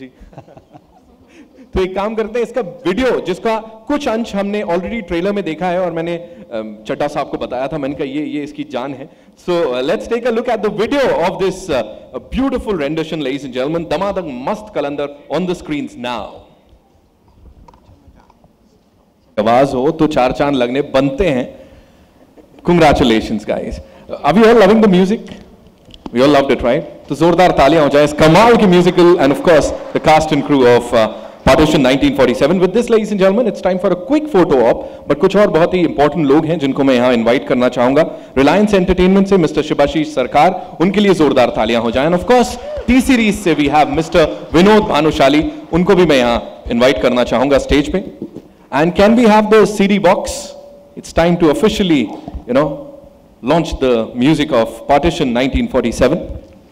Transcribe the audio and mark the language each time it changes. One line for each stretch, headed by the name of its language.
Hindi: जी तो एक काम करते हैं इसका वीडियो जिसका कुछ अंश हमने ऑलरेडी ट्रेलर में देखा है और मैंने चड्डा साहब को बताया था मैंने कहा ये इसकी जान है
English: so let's take a look at the video of this beautiful rendition ladies and gentleman Damadam Mast Qalandar on the screens now
Hindi: आवाज हो तो चार चांद लगने बनते हैं
English: congratulations guys are you all loving the music we all loved it right
Hindi: तो जोरदार तालियां हो जाए इस कमाल की
English: Musical and of course the cast and crew of Partition 1947. With this, ladies and gentlemen, it's time for a quick photo op.
Hindi: But कुछ और बहुत ही important लोग हैं जिनको मैं यहाँ invite करना चाहूँगा. Reliance Entertainment से Mr. Shibashish Sarkar, उनके लिए जोरदार तालियाँ हो जाएँ.
English: Of course,
Hindi: T Series से
English: we have Mr.
Hindi: Vinod Bhanushali, उनको भी मैं यहाँ invite करना चाहूँगा stage पे.
English: And can we have the CD box? It's time to officially, you know, launch the music of Partition 1947.